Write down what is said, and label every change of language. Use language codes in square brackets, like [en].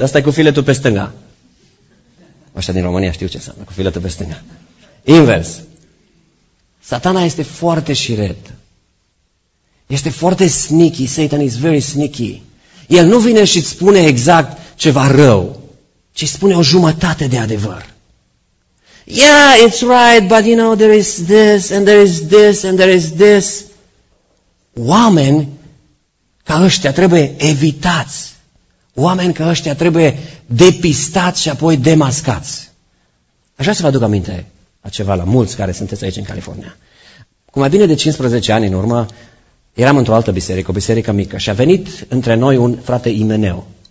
[ro] Asta e cu filetul pe stânga. Așa din România știu ce înseamnă cu filetul pe stânga. Invers. Satana este foarte șiret. Este foarte sneaky. [en] Satan is very sneaky. [ro] El nu vine și îți spune exact ceva rău, ci spune o jumătate de adevăr. [en] Yeah, it's right, but you know, there is this, and there is this, and there is this. [ro] Oameni ca ăștia trebuie evitați. Oameni ca ăștia trebuie depistați și apoi demascați. Așa să vă aduc aminte la ceva, la mulți care sunteți aici în California. Cu mai bine de 15 ani în urmă, eram într-o altă biserică, o biserică mică, și a venit între noi un frate Imeneu.